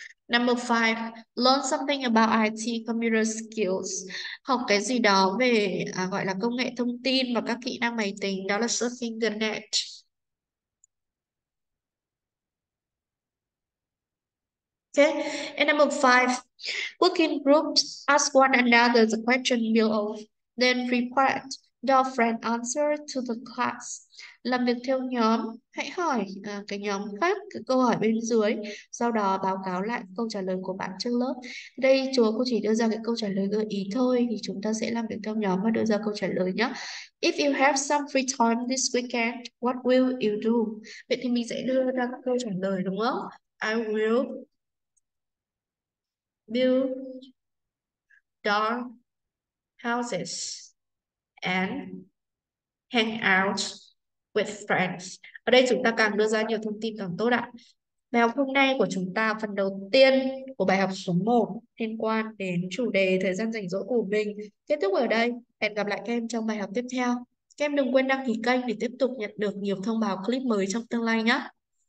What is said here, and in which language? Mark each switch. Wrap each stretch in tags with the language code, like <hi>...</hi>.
<en>Number five, learn something about IT, computer skills.</en> <vi>Học cái gì đó về gọi là công nghệ thông tin và các kỹ năng máy tính, đó là</vi> <en>surfing the net. Okay, and number five, work in groups, ask one another the question below, then report your friend answer to the class.</en> <vi>Làm việc theo nhóm, hãy hỏi cái nhóm khác cái câu hỏi bên dưới, sau đó báo cáo lại câu trả lời của bạn trên lớp. Đây chúa cô chỉ đưa ra cái câu trả lời gợi ý thôi, thì chúng ta sẽ làm việc theo nhóm và đưa ra câu trả lời nhé.</vi> <en>If you have some free time this weekend, what will you do?</en> <vi>Vậy thì mình sẽ đưa ra các câu trả lời đúng không?</vi> <en>I will build dark houses and hang out with friends.</en> <vi>Ở đây chúng ta càng đưa ra nhiều thông tin càng tốt ạ. Bài học hôm nay của chúng ta, phần đầu tiên của bài học số 1 liên quan đến chủ đề thời gian rảnh rỗi của mình kết thúc ở đây. Hẹn gặp lại các em trong bài học tiếp theo. Các em đừng quên đăng ký kênh để tiếp tục nhận được nhiều thông báo clip mới trong tương lai nhé.</vi>